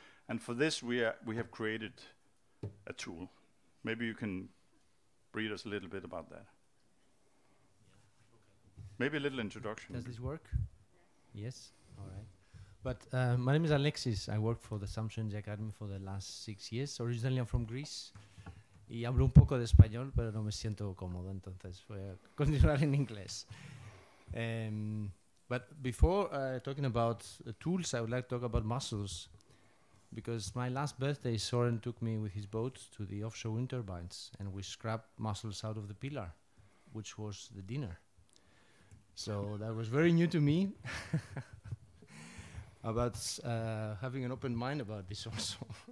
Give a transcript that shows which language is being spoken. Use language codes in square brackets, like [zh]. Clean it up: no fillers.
[en] And for this, we have created a tool. Maybe you can brief us a little bit about that. Maybe a little introduction. Does this work? Yes, all right. But my name is Alexis. I work for the Samsø Energy Academy for the last 6 years. Originally, I'm from Greece. [es] Y hablo un poco de español, pero no me siento cómodo, entonces voy a continuar en inglés. [en] But before talking about tools, I would like to talk about muscles, because my last birthday, Soren took me with his boat to the offshore wind turbines, and we scrapped muscles out of the pillar, which was the dinner. So that was very new to me about having an open mind about this also.